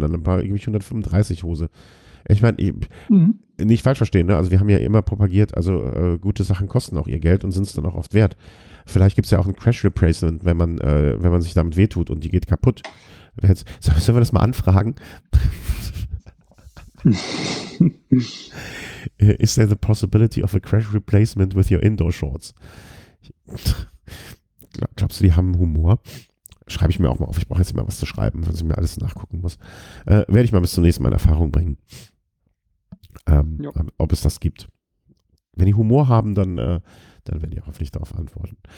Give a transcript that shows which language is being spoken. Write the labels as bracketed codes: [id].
[de] Dann habe ich 135 Hose. Ich meine, nicht falsch verstehen, ne? Also wir haben ja immer propagiert, also gute Sachen kosten auch ihr Geld und sind es dann auch oft wert. Vielleicht gibt es ja auch ein Crash-Replacement, wenn man sich damit wehtut und die geht kaputt. Sollen wir das mal anfragen? [en] Is there the possibility of a crash replacement with your indoor shorts? [de] Glaubst du, die haben Humor? Schreibe ich mir auch mal auf. Ich brauche jetzt mal was zu schreiben, wenn ich mir alles nachgucken muss. Werde ich mal bis zum nächsten Mal in Erfahrung bringen. Ob es das gibt. Wenn die Humor haben, dann werden die hoffentlich darauf antworten.